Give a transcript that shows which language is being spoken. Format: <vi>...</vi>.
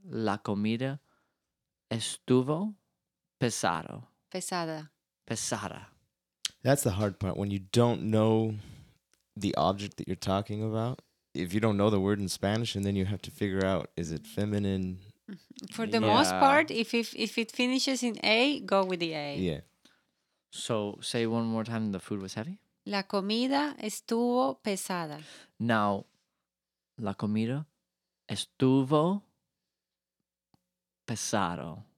<es>La comida estuvo pesado. Pesada. Pesada.</es> <en>That's the hard part. When you don't know the object that you're talking about, if you don't know the word in Spanish, and then you have to figure out, is it feminine? For the most part, if it finishes in A, go with the A. Yeah. So say one more time, the food was heavy?</en> <es>La comida estuvo pesada.</es> <en>Now...</en> <es>La comida estuvo pesado.</es>